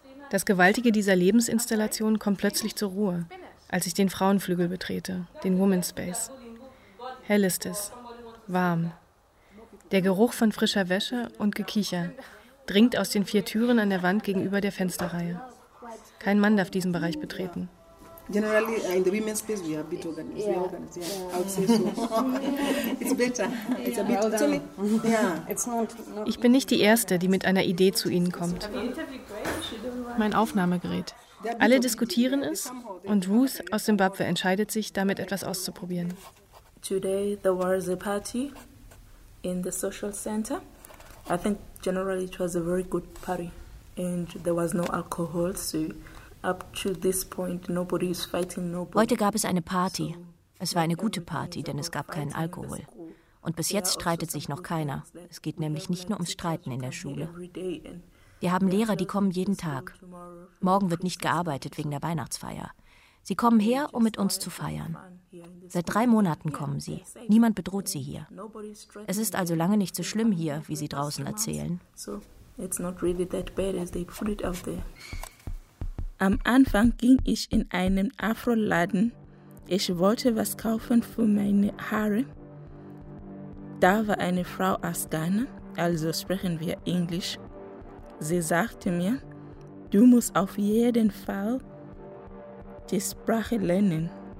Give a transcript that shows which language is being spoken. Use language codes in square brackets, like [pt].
[de] Das Gewaltige dieser Lebensinstallation kommt plötzlich zur Ruhe, als ich den Frauenflügel betrete, den Women's Space. Hell ist es, warm. Der Geruch von frischer Wäsche und Gekicher dringt aus den vier Türen an der Wand gegenüber der Fensterreihe. Kein Mann darf diesen Bereich betreten. [en] Generally in the women's space we are a bit organized. It's better. It's a bit chilly. Yeah, it's not. [de] Ich bin nicht die Erste, die mit einer Idee zu Ihnen kommt. Mein Aufnahmegerät. Alle diskutieren es und Ruth aus Zimbabwe entscheidet sich, damit etwas auszuprobieren. [en] Today there was a party in the social center. I think generally it was a very good party. And there was no alcohol, so up to this point nobody is fighting nobody. [de] Heute gab es eine Party. Es war eine gute Party, denn es gab keinen Alkohol. Und bis jetzt streitet sich noch keiner. Es geht nämlich nicht nur ums Streiten in der Schule. Wir haben Lehrer, die kommen jeden Tag. Morgen wird nicht gearbeitet wegen der Weihnachtsfeier. Sie kommen her, um mit uns zu feiern. Seit 3 Monaten kommen sie. Niemand bedroht sie hier. Es ist also lange nicht so schlimm hier, wie sie draußen erzählen. [en] It's not really that bad as they put it out there. [de] Am Anfang ging ich in einen Afro-Laden. Ich wollte was kaufen für meine Haare. Da war eine Frau aus Ghana, also sprechen wir Englisch. Sie sagte mir, du musst auf jeden Fall die Sprache lernen.